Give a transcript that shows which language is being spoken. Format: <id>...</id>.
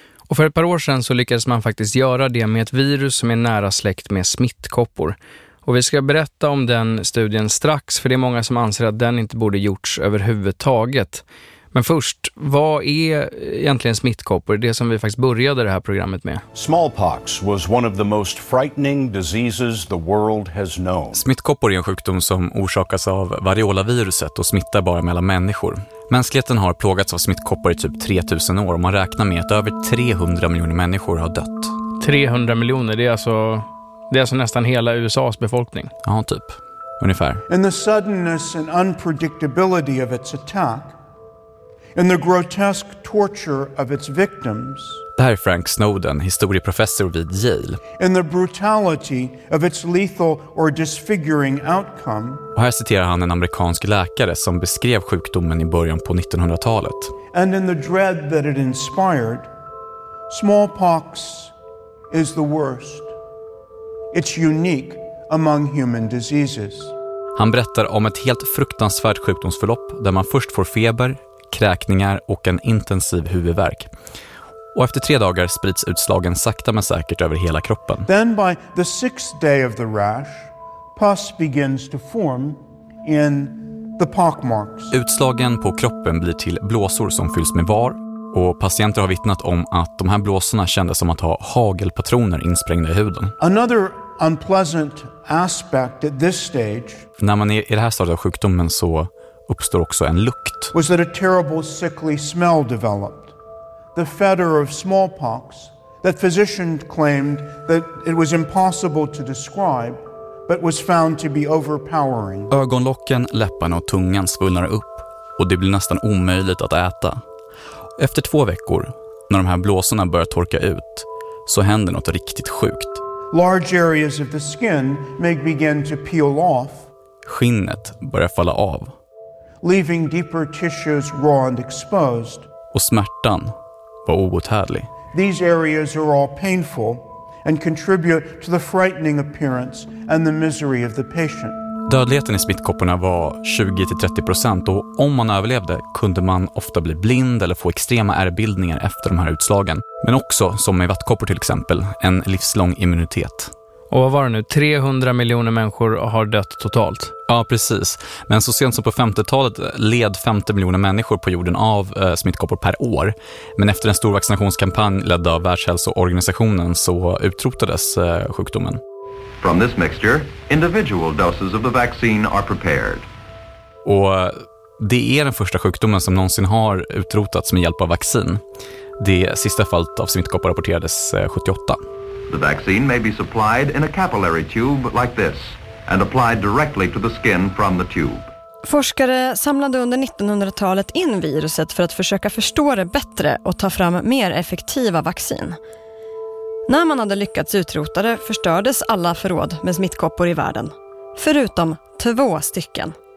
<sv>Och för ett par år sedan så lyckades man faktiskt göra det med ett virus som är nära släkt med smittkoppor. Och vi ska berätta om den studien strax, för det är många som anser att den inte borde gjorts överhuvudtaget. Men först, vad är egentligen smittkoppor? Det som vi faktiskt började det här programmet med.</sv> <en>Smallpox was one of the most frightening diseases the world has known.</en> <sv>Smittkoppor är en sjukdom som orsakas av variolaviruset och smittar bara mellan människor. Mänskligheten har plågats av smittkoppor i typ 3000 år och man räknar med att över 300 miljoner människor har dött. 300 miljoner, det är alltså nästan hela USA:s befolkning. Ja, typ ungefär.</sv> <en>And the suddenness and unpredictability of its attack. And the grotesque torture of its victims.</en> <sv>Det här är Frank Snowden, historieprofessor vid Yale.</sv> <en>And the brutality of its lethal or disfiguring outcome.</en> <sv>Och här citerar han en amerikansk läkare som beskrev sjukdomen i början på 1900-talet.</sv> <en>And in the dread that it inspired, smallpox is the worst. It's unique among human diseases.</en> <sv>Han berättar om ett helt fruktansvärt sjukdomsförlopp där man först får feber, kräkningar och en intensiv huvudvärk. Och efter 3 dagar sprids utslagen sakta men säkert över hela kroppen.</sv> <en>Then by the 6th day of the rash, pus begins to form in the pockmarks.</en> <sv>Utslagen på kroppen blir till blåsor som fylls med var, och patienter har vittnat om att de här blåsorna kändes som att ha hagelpatroner insprängda i huden.</sv> <en>Another unpleasant aspect at this stage.</en> <sv>När man är i det här stadiet av sjukdomen så uppstår också en lukt.</sv> <en>Was that a terrible sickly smell developed? The fetor of smallpox that physician claimed that it was impossible to describe but was found to be overpowering.</en> <sv>Ögonlocken, läpparna och tungan svullnar upp och det blir nästan omöjligt att äta. Efter 2 veckor, när de här blåsorna börjar torka ut, så händer något riktigt sjukt.</sv> <en>Large areas of the skin may begin to peel off.</en> <sv>Skinnet börjar falla av.</sv> <en>Leaving deeper tissues raw and exposed.</en> <sv>Och smärtan var outhärdlig.</sv> <en>These areas are all painful and contribute to the frightening appearance and the misery of the patient.</en> <sv>Dödligheten i smittkopporna var 20-30%, och om man överlevde kunde man ofta bli blind eller få extrema ärrbildningar efter de här utslagen. Men också, som med vattkoppor till exempel, en livslång immunitet. Och vad var det nu? 300 miljoner människor har dött totalt. Ja, precis. Men så sent som på 50-talet led 50 miljoner människor på jorden av smittkoppor per år. Men efter en stor vaccinationskampanj ledd av Världshälsoorganisationen så utrotades sjukdomen.</sv> <en>From this mixture, individual doses of the vaccine are prepared.</en> <sv>Och det är den första sjukdomen som någonsin har utrotats med hjälp av vaccin. Det sista fallet av smittkoppor rapporterades 78.</sv> <en>The vaccine may be supplied in a capillary tube like this and applied directly to the skin from the tube.</en> <sv>Forskare samlade under 1900-talet in viruset för att försöka förstå det bättre och ta fram mer effektiva vaccin. När man hade lyckats utrota det förstördes alla förråd med smittkoppor i världen, förutom 2 stycken.</sv>